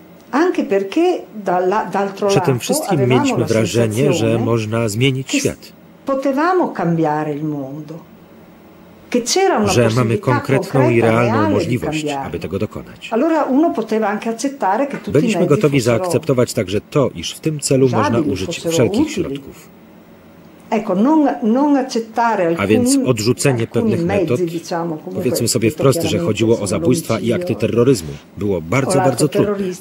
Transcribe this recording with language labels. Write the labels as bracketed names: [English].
[Italian] Anche perché d'altro lato [Polish] przy tym wszystkim mieliśmy wrażenie, że można zmienić świat. [Italian] Potevamo cambiare il mondo. Che c'era una [Polish] że mamy konkretną i realną możliwość, aby tego dokonać. [Italian] Allora uno poteva anche accettare che tutti [Polish] byliśmy gotowi zaakceptować także to, iż w tym celu można użyć wszelkich środków. [Italian] Ecco, non accettare alcuni, [Polish] a więc odrzucenie pewnych metod, powiedzmy sobie wprost, że chodziło o zabójstwa i akty terroryzmu, było bardzo, bardzo trudne.